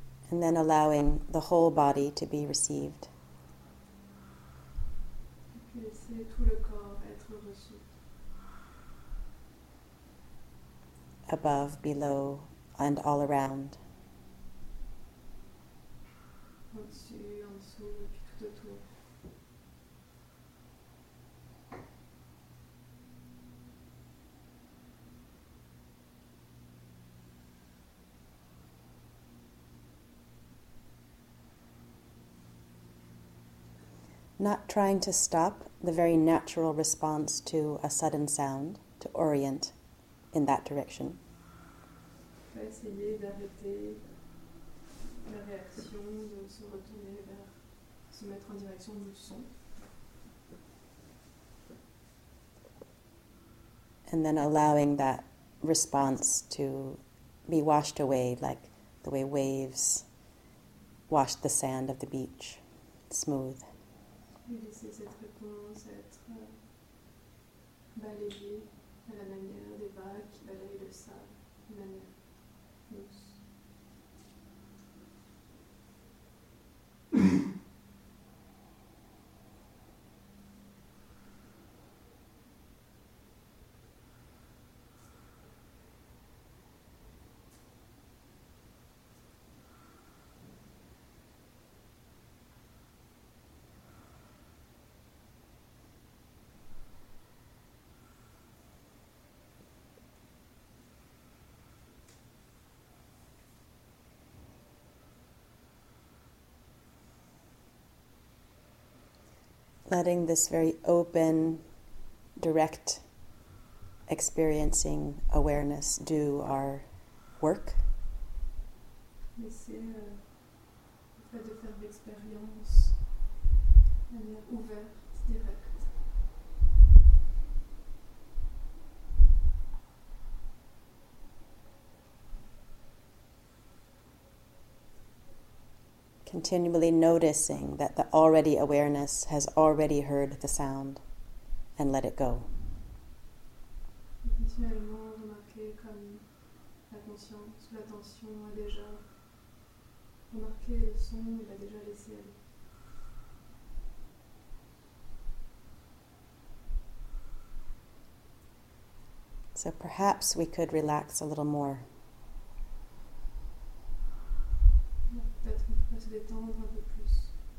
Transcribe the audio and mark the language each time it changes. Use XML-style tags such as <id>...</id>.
<en>And then allowing the whole body to be received.</en> <fr>Et puis laisser tout le corps être reçu.</fr> <en>Above, below, and all around.</en> <fr>Au-dessus, en dessous, et puis tout autour.</fr> <en>Not trying to stop the very natural response to a sudden sound, to orient in that direction.</en> <fr>Pas essayer d'arrêter la réaction de se retourner vers, se mettre en direction du son.</fr> <en>And then allowing that response to be washed away like the way waves wash the sand of the beach, smooth.</en> <fr>Et laisser cette réponse être balayée à la manière des vagues qui balayent le sable, de manière douce.</fr> <en>letting this very open, direct experiencing awareness do our work.</en> <fr>Laissez le fait de faire l'expérience de manière ouverte, directe.</fr> <en>Continually noticing that the already awareness has already heard the sound and let it go.</en> <fr>Continuellement remarquer comme la conscience, l'attention a déjà remarqué le son et l'a déjà laissé aller.</fr> <en>So perhaps we could relax a little more.</en> <fr>Peut-être qu'on pourrait se détendre un peu plus.</fr>